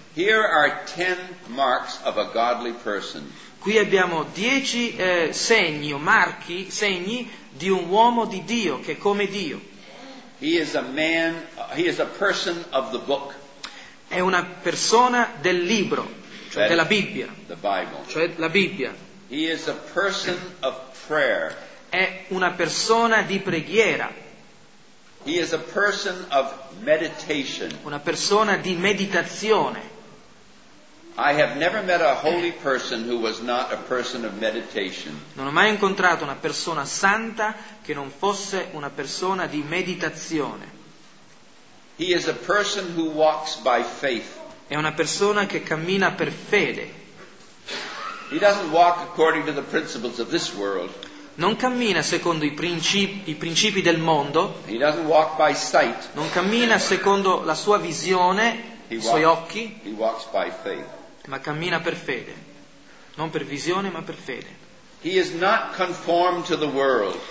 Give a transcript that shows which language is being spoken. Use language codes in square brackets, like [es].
[en] Here are 10 marks of a godly person. [it] Qui abbiamo 10 segni o marchi, segni di un uomo di Dio che è come Dio. [en] He is a man, he is a person of the book. [it] È una persona del libro, cioè della Bibbia. [en] The Bible. [it] Cioè la Bibbia. [en] He is a person of prayer. [it] È una persona di preghiera. [en] He is a person of meditation. [it] Una persona di meditazione. [en] I have never met a holy person who was not a person of meditation. [it] Non ho mai incontrato una persona santa che non fosse una persona di meditazione. [en] He is a person who walks by faith. [it] È una persona che cammina per fede. [en] He doesn't walk according to the principles of this world. [it] Non cammina secondo i principi del mondo. [en] He doesn't walk by sight. [it] Non cammina secondo la sua visione, [en] he [it] i suoi occhi. [en] He walks by faith. [it] Ma cammina per fede. Non per visione, ma per fede. [en] He is not conformed to the world.